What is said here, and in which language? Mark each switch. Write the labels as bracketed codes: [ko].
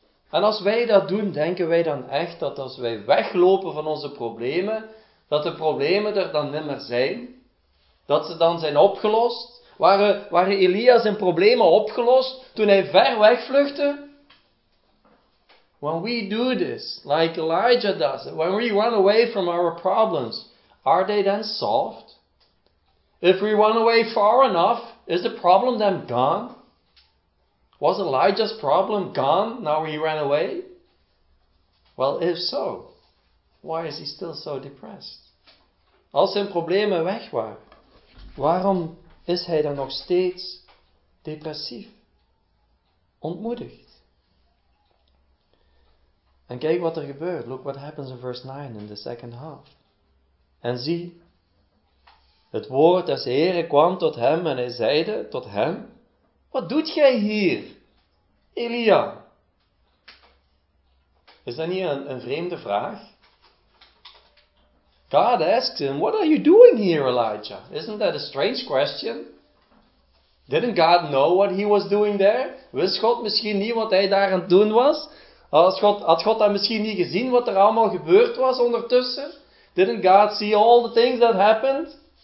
[nl] En als wij dat doen, denken wij dan echt dat als wij weglopen van onze problemen, dat de problemen er dan niet meer zijn? Dat ze dan zijn opgelost? Waren Elia zijn problemen opgelost toen hij ver wegvluchtte? [en] When we do this, like Elijah does, when we run away from our problems, are they then solved? If we run away far enough, is the problem then gone? Was Elijah's problem gone now he ran away? Well, if so, why is he still so depressed? [nl] Als zijn problemen weg waren, waarom is hij dan nog steeds depressief, ontmoedigd? En kijk wat er gebeurt. [en] Look what happens in verse 9 in the second half. [nl] En zie, het woord des Heren kwam tot hem en hij zeide tot hem, wat doet jij hier, Elia? Is dat niet een vreemde vraag? [en] God asks him, what are you doing here, Elijah? Isn't that a strange question? Didn't God know what he was doing there? [nl] Wist God misschien niet wat hij daar aan het doen was? Had God dat misschien niet gezien wat er allemaal gebeurd was ondertussen? [en] Didn't God see all the things that happened?